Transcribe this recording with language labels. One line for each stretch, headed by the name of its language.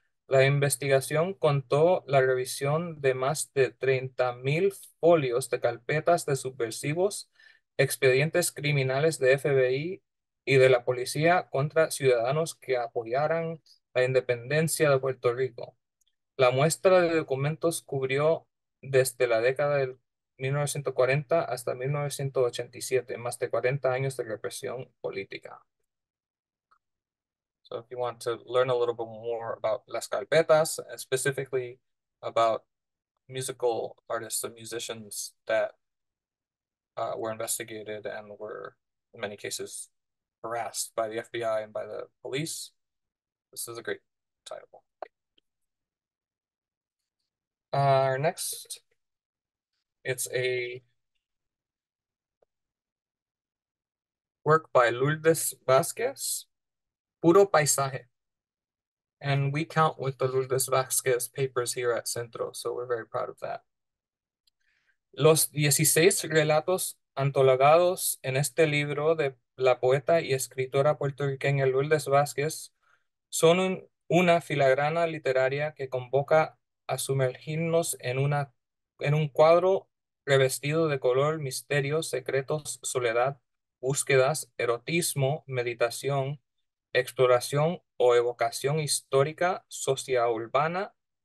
Spanish: La investigación contó la revisión de más de 30,000 folios de carpetas de subversivos, expedientes criminales de FBI y de la policía contra ciudadanos que apoyaran la independencia de Puerto Rico. La muestra de documentos cubrió desde la década del 1940 hasta 1987, más de 40 años de represión política.
English: So, if you want to learn a little bit more about
Spanish: las carpetas,
English: specifically about musical artists and musicians that were investigated and were, in many cases, harassed by the FBI and by the police, this is a great title. Our next, it's a work by Lourdes Vázquez, Puro Paisaje. And we count with the Lourdes Vázquez papers here at Centro, so we're very proud of that.
Spanish: Los 16 relatos antologados en este libro de la poeta y escritora puertorriqueña Lourdes Vázquez son una filigrana literaria que convoca a sumergirnos en un cuadro revestido de color, misterios, secretos, soledad, búsquedas, erotismo, meditación, exploración o evocación histórica, sociourbana